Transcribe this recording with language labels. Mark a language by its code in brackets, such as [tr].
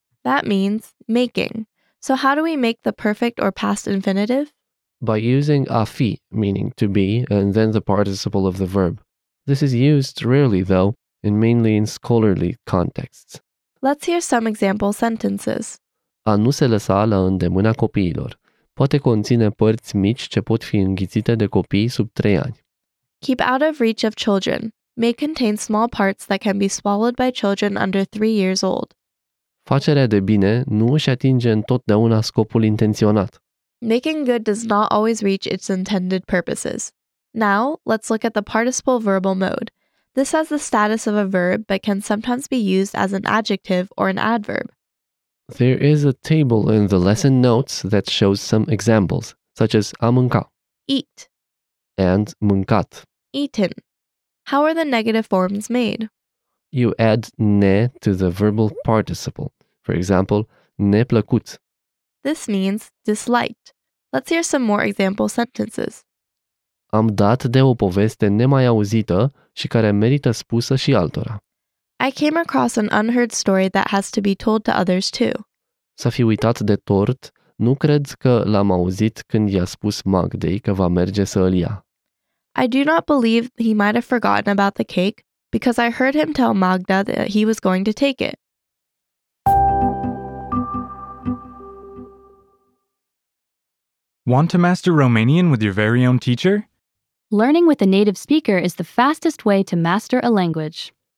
[en] That means making. So how do we make the perfect or past infinitive? By using a fi, meaning to be, and then the participle of the verb. This is used rarely, though, and mainly in scholarly contexts. Let's hear some example sentences. [ro] A nu se lăsa la îndemâna copiilor. Poate conține părți mici ce pot fi înghițite de copii sub 3 ani. [en] Keep out of reach of children. May contain small parts that can be swallowed by children under 3 years old. [ro] Facerea de bine nu își atinge întotdeauna scopul intenționat. [en] Making good does not always reach its intended purposes. Now, let's look at the participle verbal mode. This has the status of a verb, but can sometimes be used as an adjective or an adverb. There is a table in the lesson notes that shows some examples, such as a mânca, eat, and mâncat, eaten. How are the negative forms made? You add ne to the verbal participle. For example, neplăcut. This means disliked. Let's hear some more example sentences. [ro] Am dat de o poveste nemai auzită și care merită spusă și altora. [en] I came across an unheard story that has to be told to others too. [ro] S-a fi uitat de tort, nu cred că l-am auzit când i-a spus Magdei că va merge să îl ia. [en] I do not believe he might have forgotten about the cake because I heard him tell Magda that he was going to take it. Want to master Romanian with your very own teacher? Learning with a native speaker is the fastest way to master a language.